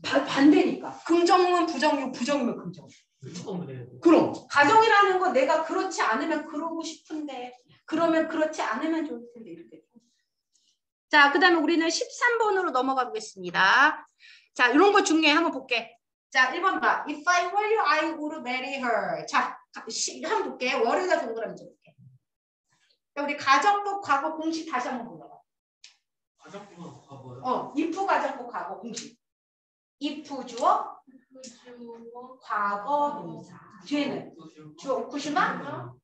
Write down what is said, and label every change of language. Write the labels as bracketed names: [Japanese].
[Korean] 반대니까. 긍정은 부정이고 부정이면 긍정. 무조건 돼요. 그럼. 가정이라는 건 내가 그렇지 않으면 그러고 싶은데, 그러면 그렇지 않으면 좋을 텐데, 이렇게. 자, 그 다음에 우리는 13번으로 넘어가 보겠습니다. 자, 이런 거 중요해. 한번 볼게. 자, 1번 봐. [English] If I were you, I would marry her. [Korean] 자, 한번 볼게. 월에다 동그라미 좀 볼게. 자, 우리 가정법 과거 공식 다시 한번 불러봐. 가정법 과거요? 어, if 가정법 과거 공식. if 주어? if 주어. 과거 동사. 뒤에는? 주어 후쿠시마?